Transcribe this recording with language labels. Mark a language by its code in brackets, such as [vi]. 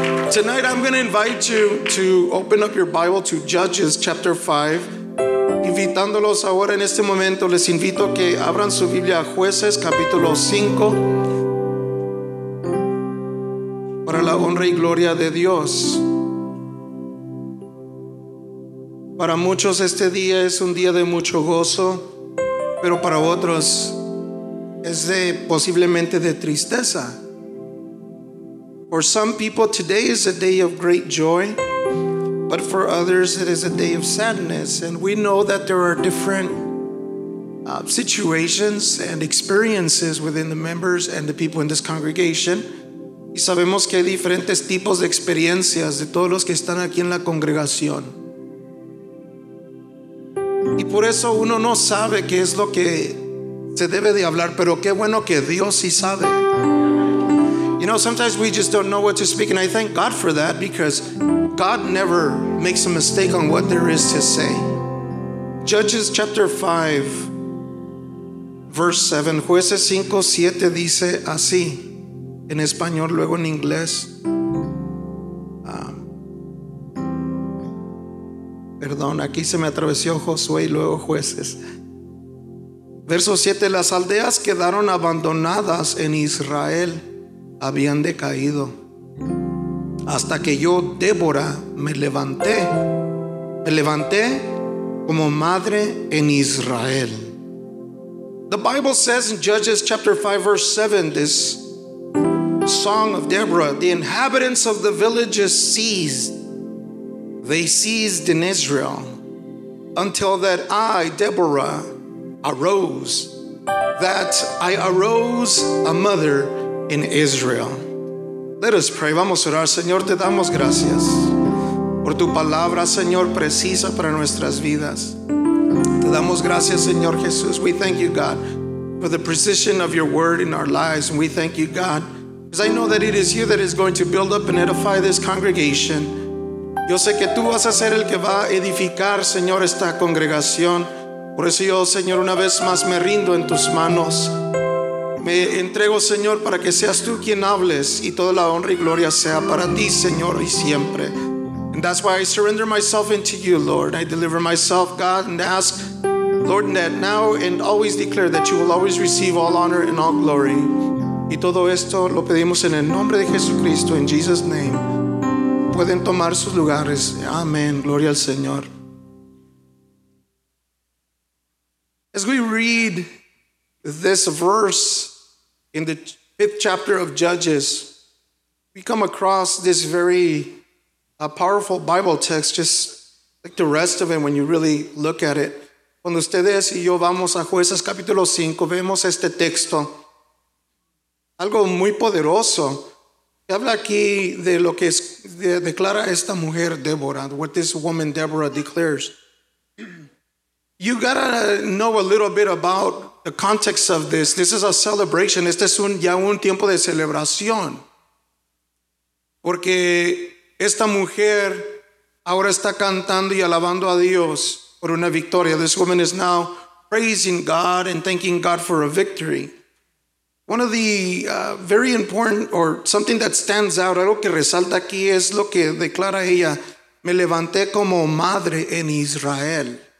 [en] Tonight, I'm going to invite you to open up your Bible to Judges chapter 5. [es] Invitándolos ahora en este momento, les invito a que abran su Biblia a Jueces capítulo 5. Para la honra y gloria de Dios. Para muchos este día es un día de mucho gozo, pero para otros es de posiblemente de tristeza. [en] For some people today is a day of great joy, but for others it is a day of sadness. And we know that there are different situations and experiences within the members and the people in this congregation. [es] Y sabemos que hay diferentes tipos de experiencias de todos los que están aquí en la congregación. Y por eso uno no sabe qué es lo que se debe de hablar, pero qué bueno que Dios sí sabe. [en] You know, sometimes we just don't know what to speak, and I thank God for that, because God never makes a mistake on what there is to say. Judges chapter 5, verse 7, [es] Jueces 5, 7 dice así, en español, luego en inglés. Perdón, aquí se me atravesó Josué y luego Jueces. Verso 7. Las aldeas quedaron abandonadas en Israel. Habían decaído. Hasta que yo, Débora, me levanté. Me levanté como madre en Israel. [en] The Bible says in Judges chapter 5, verse 7, this song of Deborah, the inhabitants of the villages ceased. They ceased in Israel until that I, Deborah, arose, that I arose a mother in Israel. Let us pray. [es] Vamos a orar. Señor, te damos gracias por tu palabra, Señor, precisa para nuestras vidas. Te damos gracias, Señor Jesús. [en] We thank you, God, for the precision of your word in our lives. And we thank you, God, because I know that it is you that is going to build up and edify this congregation. [es] Yo sé que tú vas a ser el que va a edificar, Señor, esta congregación. Por eso yo, Señor, una vez más me rindo en tus manos. Me entrego, Señor, para que seas tú quien hables y toda la honra y gloria sea para ti, Señor, y siempre. [en] And that's why I surrender myself into you, Lord. I deliver myself, God, and ask, Lord, that now and always declare that you will always receive all honor and all glory. [es] Y todo esto lo pedimos en el nombre de Jesucristo, [en] in Jesus' name. [es] Pueden tomar sus lugares. Amén. Gloria al Señor. [en] As we read this verse in the fifth chapter of Judges, we come across this very powerful Bible text, just like the rest of it when you really look at it. [es] Cuando ustedes y yo vamos a Jueces capítulo 5, vemos este texto. Algo muy poderoso. Habla aquí de lo que es, de, declara esta mujer, Deborah, [en] what this woman, Deborah, declares. You gotta know a little bit about the context of this. This is a celebration. [es] Este es un, ya un tiempo de celebración. Porque esta mujer ahora está cantando y alabando a Dios por una victoria. [en] This woman is now praising God and thanking God for a victory. One of the very important, or something that stands out, [es] algo que resalta aquí es lo que declara ella, me levanté como madre en Israel.